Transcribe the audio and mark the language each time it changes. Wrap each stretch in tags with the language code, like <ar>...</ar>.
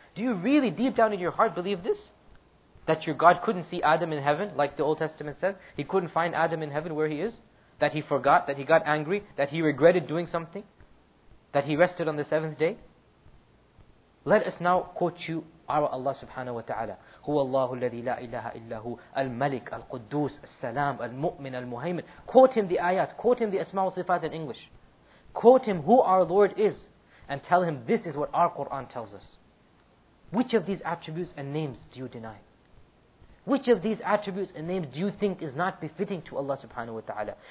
<en>Do you really deep down in your heart believe this? That your God couldn't see Adam in heaven, like the Old Testament said? He couldn't find Adam in heaven where he is? That he forgot, that he got angry, that he regretted doing something? That he rested on the seventh day? Let us now quote you our Allah subhanahu wa ta'ala.</en> <ar>هو الله الذي لا إله إلا هو الملك القدوس السلام المؤمن المهيمن.</ar> <en>Quote him the ayat, quote him the asma wa sifat in English. Quote him who our Lord is, and tell him this is what our Quran tells us. Which of these attributes and names do you deny? Which of these attributes and names do you think is not befitting to Allah subhanahu wa ta'ala?</en>